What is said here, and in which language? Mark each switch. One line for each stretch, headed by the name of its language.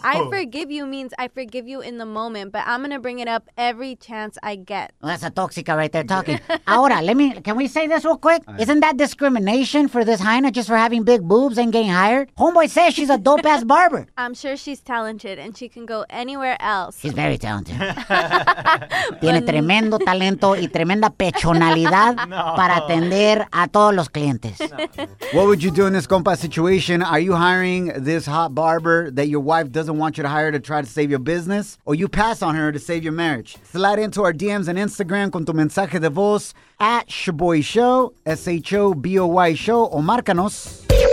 English: I forgive you means I forgive you in the moment, but I'm going to bring it up every chance I get. Well, that's a toxica right there talking.
Spanish: Ahora,
English: can we say this real quick? Right. Isn't that discrimination for this hyena just for having big boobs and getting hired? Homeboy says she's a dope-ass barber. I'm sure she's talented and she can go anywhere else. She's very talented.
Spanish: Tiene tremendo talento y tremenda pechonalidad para atender a todos los clientes.
English: What would you do in this compa situation? Are you hiring this hot barber that your wife doesn't want you to hire to try to save your business? Or you pass on her to save your marriage? Slide into our DMs and Instagram
Spanish: con tu mensaje de voz
English: at Shaboy Show, Shoboy Show,
Spanish: o márcanos.